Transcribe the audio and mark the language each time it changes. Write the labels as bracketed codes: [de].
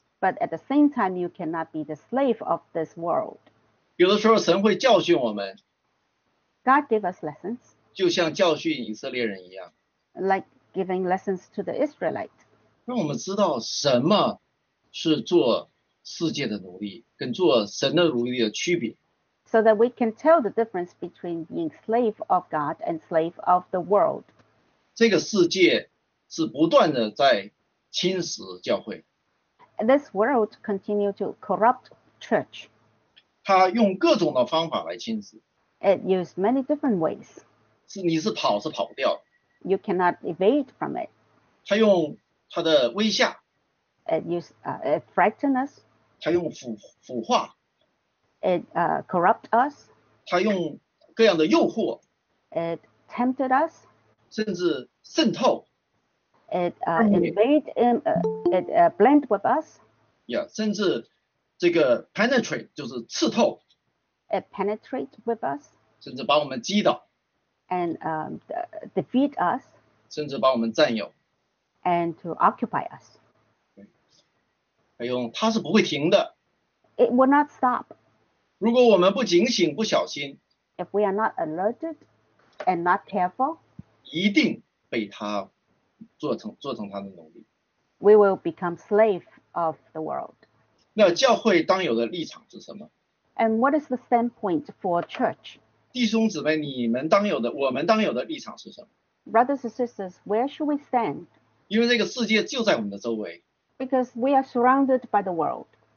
[en] but at the same time, you cannot be the slave of this world. [zh] 有的时候神会教训我们, [en] God gave us lessons, [zh] 就像教训以色列人一样, [en] like giving lessons to the Israelite, [zh] 让我们知道什么是做世界的奴隶, 跟做神的奴隶的区别, [en] so that we can tell the difference between being slave of God and slave of the world. [zh] 这个世界是不断地在侵蚀教会, [en] this world continue to corrupt church. [zh] 他用各种的方法来侵蚀, [en] it used many different ways. [zh] 你是跑是跑不掉, [en] you cannot evade from it. [zh] 他用他的威吓, [en] it used it frightened us. [zh] 他用腐化, [en] it corrupt us. [zh] 他用各样的诱惑, [en] it tempted us. [zh] 甚至渗透, [en] it invade in, it blend with us. [zh] Yeah, 甚至 这个 penetrate 就是刺透, [en] it penetrate with us, [zh] 甚至把我们击倒, [en] and defeat us, [zh] 甚至把我们占有, [en] and to occupy us. [zh] 还用, 它是不会停的, [en] it will not stop. [zh] 如果我们不警醒, 不小心, [en] if we are not alerted and not careful, [zh] 一定被它做成, 做成它的奴隶, [en] we will become slave of the world. [zh] 那教会当有的立场是什么? [en] And what is the standpoint for church? [zh] 弟兄姊妹, 你们当有的, 我们当有的立场是什么? [en] Brothers and sisters, where should we stand? [zh] 因为这个世界就在我们的周围, [en] because we are surrounded by the world.